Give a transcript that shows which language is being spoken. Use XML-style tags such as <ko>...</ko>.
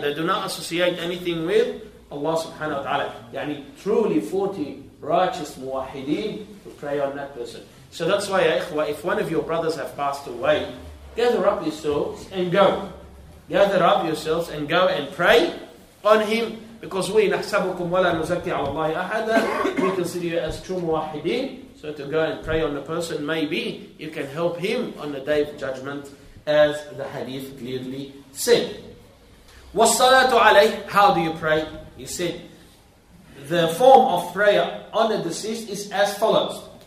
<en>They do not associate anything with Allah subhanahu wa ta'ala. Yani truly 40 righteous muwahideen to pray on that person. So that's why, ikhwa, if one of your brothers have passed away, gather up yourselves and go. Gather up yourselves and go and pray on him. Because we</en> <ar>نحسبكم ولا نزكي على الله أحدا.</ar> <en>We consider you as true muwahideen. So to go and pray on the person, maybe you can help him on the Day of Judgment, as the hadith clearly said.</en> <ar>وَالصَّلَاةُ عَلَيْهِ.</ar> <en>How do you pray? He said, the form of prayer on the deceased is as follows.</en>